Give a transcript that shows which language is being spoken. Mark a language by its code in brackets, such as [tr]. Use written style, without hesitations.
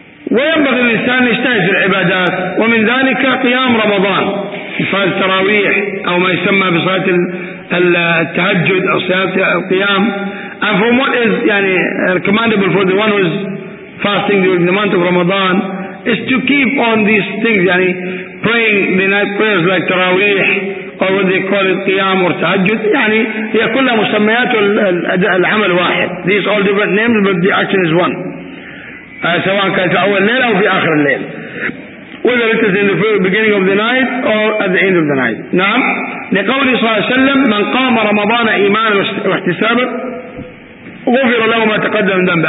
[ar] وينبغي الإنسان يجتهد في العبادات, ومن ذلك قيام رمضان صلاة التراويح أو ما يسمى بصلاة التهجد أو صلاة القيام. [en] And from what is [ar] يعني [en] recommendable for the one who is fasting during the month of Ramadan is to keep on these things, يعني praying the night prayers like تراويح or what they call it قيام or تهجد. [ar] يعني هي كلها مسميات العمل واحد. [en] These all different names but the action is one. [ar] سواء كانت أول ليلة أو في آخر الليل. [en] Whether it is in the beginning of the night or at the end of the night. [ar] نعم. لقوله صلى الله عليه وسلم من قام رمضان إيمانا واحتسابا غفر له ما تقدم من ذنبه.